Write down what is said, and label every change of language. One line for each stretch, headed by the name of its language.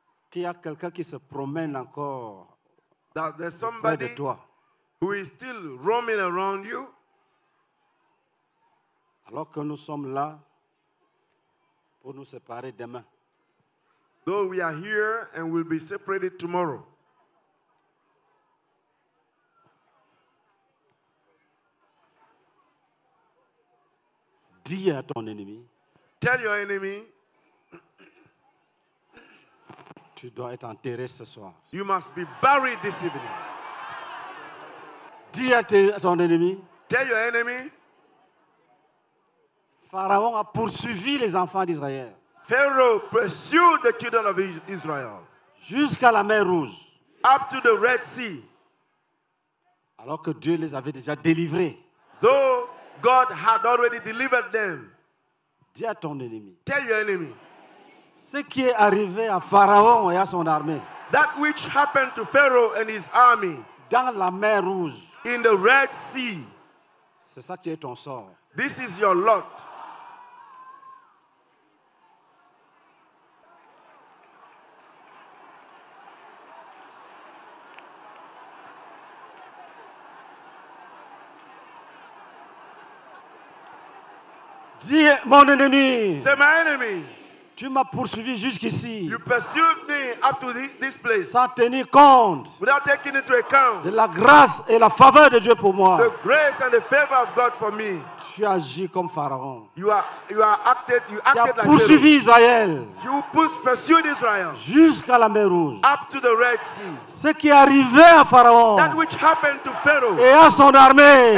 French: qu'il y a quelqu'un qui se promène encore,
English: that there's somebody who is still roaming around you,
French: alors que nous sommes là pour nous séparer demain.
English: Though we are here and we'll be separated tomorrow.
French: Dis à ton ennemi.
English: Tell your enemy.
French: Tu dois être enterré ce soir.
English: You must be buried this evening.
French: Dis à ton ennemi.
English: Tell your enemy.
French: Pharaon a poursuivi les enfants d'Israël.
English: Pharaoh pursued the children of Israel.
French: Jusqu'à la mer Rouge.
English: Up to the Red Sea.
French: Alors que Dieu les avait déjà délivrés.
English: Though God had already delivered them.
French: Dis à ton ennemi.
English: Tell your enemy.
French: Ce qui est arrivé à Pharaon et à son armée.
English: That which happened to Pharaoh and his army.
French: Dans la mer Rouge.
English: In the Red Sea.
French: C'est ça qui est ton sort.
English: This is your lot.
French: Mon ennemi. C'est
English: my enemy.
French: Tu m'as poursuivi jusqu'ici.
English: You pursued me up to this place.
French: Sans tenir compte.
English: Without taking into account.
French: De la grâce et la faveur de Dieu pour moi.
English: The grace and the favor of God for me.
French: Tu agis comme Pharaon.
English: You acted like Pharaoh.
French: Tu as poursuivi Israël.
English: You pursued Israel.
French: Jusqu'à la mer Rouge.
English: Up to the Red Sea.
French: Ce qui est arrivé à Pharaon.
English: That which happened to Pharaoh.
French: Et à son armée.